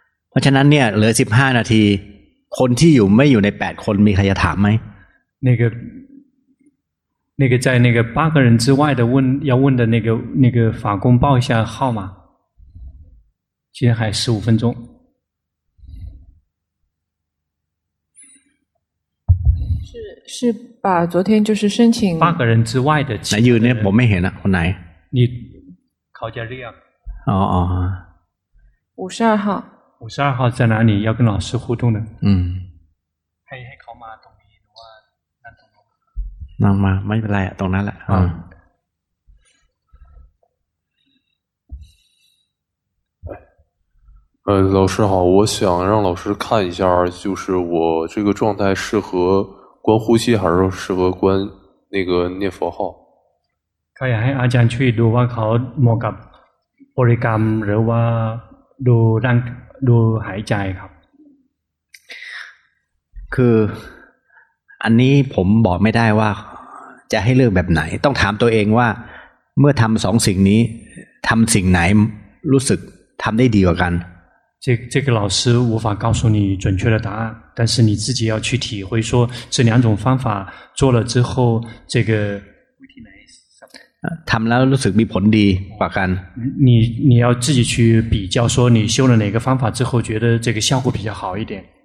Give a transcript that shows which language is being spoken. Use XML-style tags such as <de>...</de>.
<th>เพราะฉะนั้นเนี่ยเหลือ15นาทีคนที่อยู่ไม่อยู่ใน8คนมีใครจะถามไหม</th> <zh>那个在那个8个人之外的问要问的那个法工报一下号码今天还15分钟是把昨天就是申请八个人之外的哪有呢？我没看到，我哪？你考加量？哦， 52号。五十二号在哪里？要跟老师互动的。嗯。</zh> <th>ให้เขามาตรงนี้หรือว่านั่นตรง นั้น？นั่นมาไม่เป็นไรตรงนั้นแหละ 。</th> <zh>老师好，我想让老师看一下，就是我这个状态适合。观呼吸还是适合观那个念佛号</zh> <th>ก็อยากให้อาจารย์ช่วยดูว่าเขาเหมาะกับบริกรรมหรือว่าดูร่างดูหายใจครับ คืออันนี้ผมบอกไม่ได้ว่าจะให้เลือกแบบไหนต้องถามตัวเองว่าเมื่อทำสองสิ่งนี้ทำสิ่งไหนรู้สึกทำได้ดีกว่ากัน</th> <zh>这个老师无法告诉你准确的答案，但是你自己要去体会说这两种方法做了之后，这个</zh> <th>ทำแล้วรู้สึกมีผลดีกว่ากัน</th> <zh>你要自己去比较说你修了哪个方法之后觉得这个效果比较好一点。</zh>